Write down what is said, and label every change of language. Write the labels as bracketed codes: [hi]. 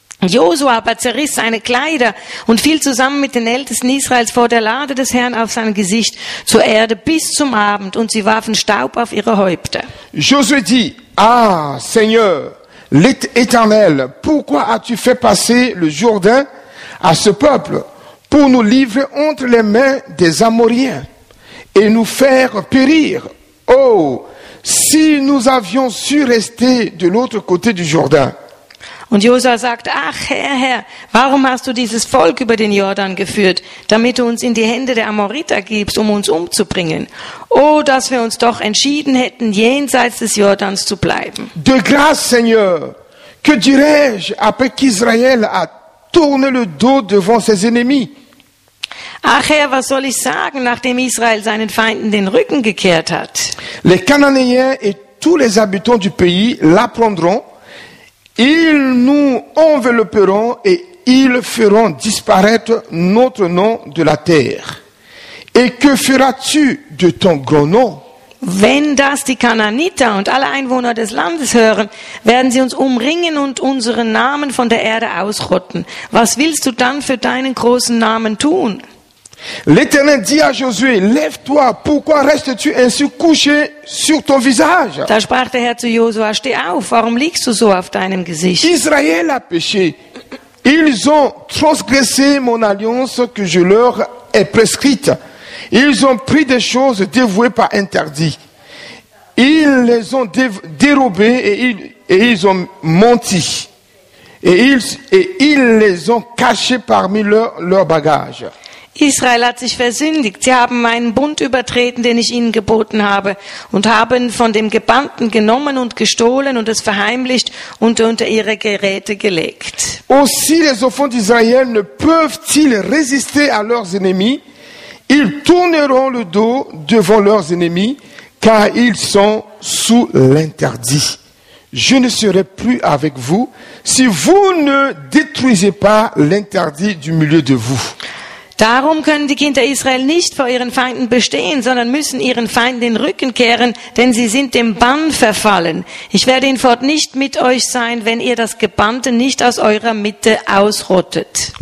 [de] Josua aber zerriss seine Kleider und fiel zusammen mit den Ältesten Israels vor der Lade des Herrn auf sein Gesicht zur Erde bis zum Abend und sie warfen Staub auf ihre Häupter. [fr] Josué dit, ah, Seigneur, l'Éternel, pourquoi as-tu fait passer le Jourdain à ce peuple pour nous livrer entre les mains des Amoriens et nous faire périr? Oh, Si nous avions su rester de l'autre côté du Jordan. [de] Und Josua sagt: Ach, Herr, Herr, warum hast du dieses Volk über den Jordan geführt, damit du uns in die Hände der Amoriter gibst, um uns umzubringen? Oh, dass wir uns doch entschieden hätten, jenseits des Jordans zu bleiben. [fr] De grâce, Seigneur, que dirais-je après qu'Israël a tourné le dos devant ses ennemis? [de] Ach Herr, was soll ich sagen, nachdem Israel seinen Feinden den Rücken gekehrt hat? [fr] Les Cananéens et tous les habitants du pays l'apprendront. Ils nous envelopperont et ils feront disparaître notre nom de la terre. Et que feras-tu de ton grand nom? [de] Wenn das die Kananiter und alle Einwohner des Landes hören, werden sie uns umringen und unseren Namen von der Erde ausrotten. Was willst du dann für deinen großen Namen tun? [fr] L'Éternel dit à Josué, lève-toi, pourquoi restes-tu ainsi couché sur ton visage? [de] Da sprach der Herr zu Josua, steh auf, warum liegst du so auf deinem Gesicht? [fr] Israël a péché. Ils ont transgressé mon alliance que je leur ai prescrite. Ils ont pris des choses dévouées par interdit. Ils les ont dérobées et ils ont menti. Et ils les ont cachées parmi leurs bagages. [de] Israel hat sich versündigt. Sie haben meinen Bund übertreten, den ich ihnen geboten habe, und haben von dem Gebannten genommen und gestohlen und es verheimlicht und unter ihre Geräte gelegt. [fr] Aussi les enfants d'Israël ne peuvent-ils résister à leurs ennemis? Ils tourneront le dos devant leurs ennemis, car ils sont sous l'interdit. Je ne serai plus avec vous si vous ne détruisez pas l'interdit du milieu de vous. [de] Darum können die Kinder Israel nicht vor ihren Feinden bestehen, sondern müssen ihren Feinden den Rücken kehren, denn sie sind dem Bann verfallen. Ich werde hinfort nicht mit euch sein, wenn ihr das Gebannte nicht aus eurer Mitte ausrottet.